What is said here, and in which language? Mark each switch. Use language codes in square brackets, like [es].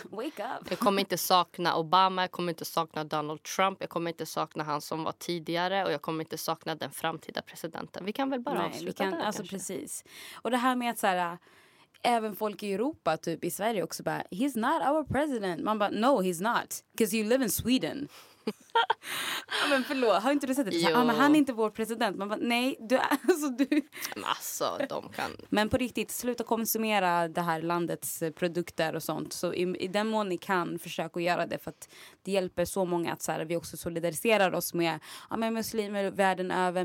[en] Wake up! [sv] Jag kommer inte sakna Obama, jag kommer inte sakna Donald Trump, jag kommer inte sakna han som var tidigare och jag kommer inte sakna den framtida presidenten. Vi kan väl bara avsluta där, alltså precis. Och det här med att så här, även folk i Europa, typ i Sverige också bara, [en] he's not our president. [sv] Man bara, [en] no he's not, because you live in Sweden. [sv] Ja, men förlåt, har inte du sett det? Ja, men han är inte vår president. Man bara, nej, du... Alltså, de kan... Men på riktigt, sluta konsumera det här landets produkter och sånt. Så i den mån ni kan, försök att göra det. För att det hjälper så många att så här, vi också solidariserar oss med, ja, med muslimer världen över.